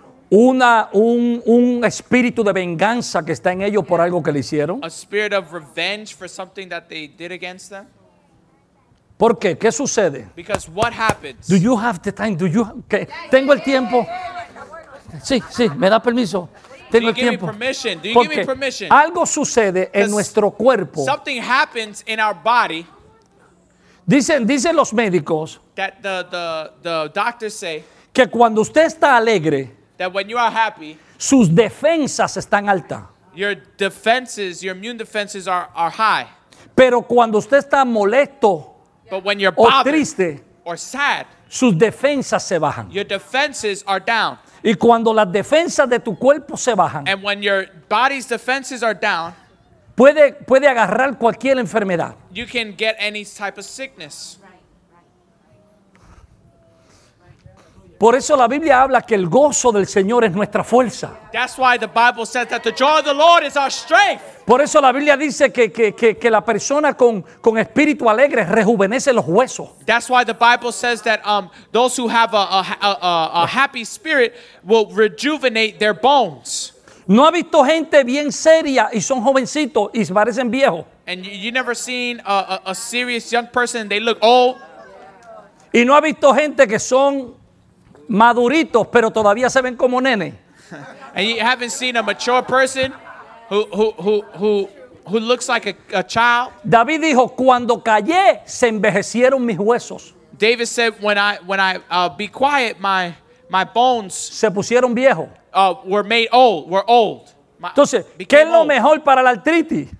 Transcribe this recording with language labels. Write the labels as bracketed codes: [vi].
[es] un espíritu de venganza que está en ellos, yes, por algo que le hicieron, [en] a spirit of revenge for something that they did against them. [es] ¿Por qué? ¿Qué sucede? [en] Because what happens? Do you have the time? Do you okay. [es] Tengo el tiempo. Sí, sí, me da permiso. Tengo el tiempo. [en] Do you give me permission? [es] Algo sucede en nuestro cuerpo. [en] Something happens in our body. [es] Dicen los médicos. [en] That the doctors say. [es] Que cuando usted está alegre. [en] That when you are happy. [es] Sus defensas están altas. [en] Your defenses, your immune defenses are high. [es] Pero cuando usted está molesto. [en] But when you're bothered, [es] o triste, [en] or sad, [es] sus defensas se bajan. [en] Your defenses are down. [es] Y cuando las defensas de tu cuerpo se bajan, [en] and when your body's defenses are down, [es] puede agarrar cualquier enfermedad. [en] You can get any type of sickness. [es] Por eso la Biblia habla que el gozo del Señor es nuestra fuerza. [en] That's why the Bible says that the joy of the Lord is our strength. [es] Por eso la Biblia dice que la persona con espíritu alegre rejuvenece los huesos. [en] That's why the Bible says that those who have a happy spirit will rejuvenate their bones. [es] No ha visto gente bien seria y son jovencitos y parecen viejos. [en] And you never seen a serious young person and they look old. [es] Y no ha visto gente que son maduritos pero todavía se ven como nene. [en] And you haven't seen a mature person who looks like a child. [es] David dijo, cuando callé se envejecieron mis huesos. [en] David said, when I be quiet, my bones [es] se pusieron viejo. [en] Were old. [es] Entonces, ¿qué es lo mejor para la artritis?